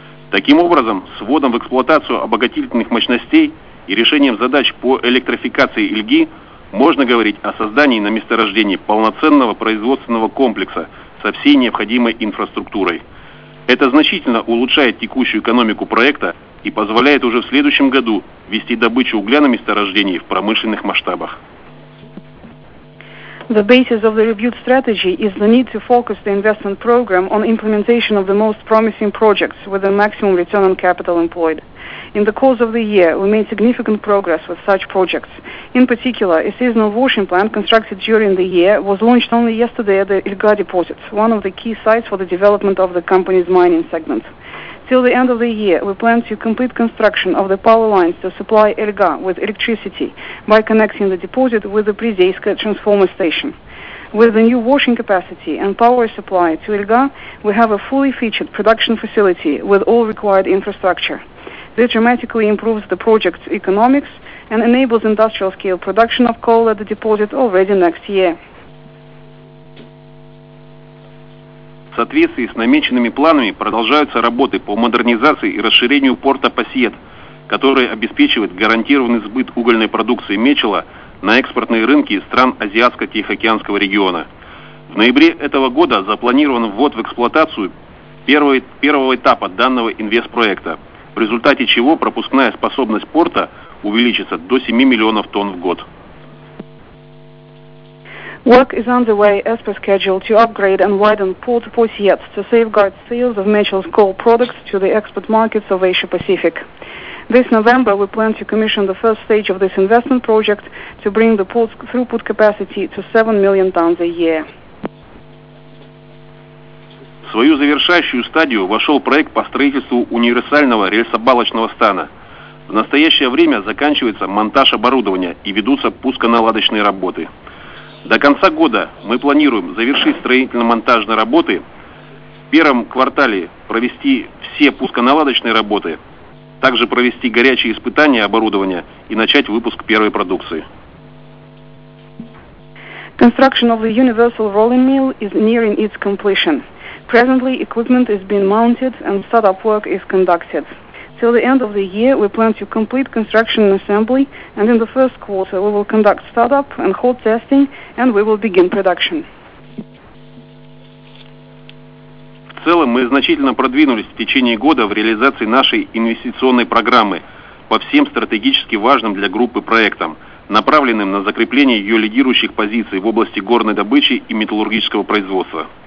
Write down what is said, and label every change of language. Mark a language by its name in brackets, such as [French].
[Russian] Таким образом, с вводом в эксплуатацию обогатительных мощностей и решением задач по электрификации Ильги можно говорить о создании на месторождении полноценного производственного комплекса со всей необходимой инфраструктурой. Это значительно улучшает текущую экономику проекта и позволяет уже в следующем году вести добычу угля на месторождении в промышленных масштабах. [English] The basis of the reviewed strategy is the need to focus the investment program on implementation of the most promising projects with the maximum return on capital employed. In the course of the year, we made significant progress with such projects. In particular, a seasonal washing plant constructed during the year was launched only yesterday at the Ilga deposit, one of the key sites for the development of the company's mining segment. Till the end of the year, we plan to complete construction of the power lines to supply Ilga with electricity by connecting the deposit with the Prizeyska transformer station. With the new washing capacity and power supply to Ilga, we have a fully featured production facility with all required infrastructure. This dramatically improves the project's economics and enables industrial-scale production of coal at the deposit already next year. [Russian] В соответствии с намеченными планами продолжаются работы по модернизации и расширению порта Пасьет, который обеспечивает гарантированный сбыт угольной продукции Мечела на экспортные рынки стран Азиатско-Тихоокеанского региона. В ноябре этого года запланирован ввод в эксплуатацию первого этапа данного инвестпроекта, в результате чего пропускная способность порта увеличится до 7 миллионов тонн в год. [English] Work is underway as per schedule to upgrade and widen port Pasiet to safeguard sales of Mitchell's coal products to the export markets of Asia-Pacific. This November, we plan to commission the first stage of this investment project to bring the port's throughput capacity to 7 million tons a year. [Russian] В свою завершающую стадию вошел проект по строительству универсального рельсобалочного стана. В настоящее время заканчивается монтаж оборудования и ведутся пусконаладочные работы. До конца года мы планируем завершить строительно-монтажные работы, в первом квартале провести все пусконаладочные работы, также провести горячие испытания оборудования и начать выпуск первой продукции. [English] Construction of the universal rolling mill is nearing its completion. Presently, equipment is being mounted and startup work is conducted. Till the end of the year, we plan to complete construction and assembly, and in the first quarter, we will conduct startup and hot testing, and we will begin production. [Russian] В целом, мы значительно продвинулись в течение года в реализации нашей инвестиционной программы по всем стратегически важным для группы проектам, направленным на закрепление ее лидирующих позиций в области горной добычи и металлургического производства.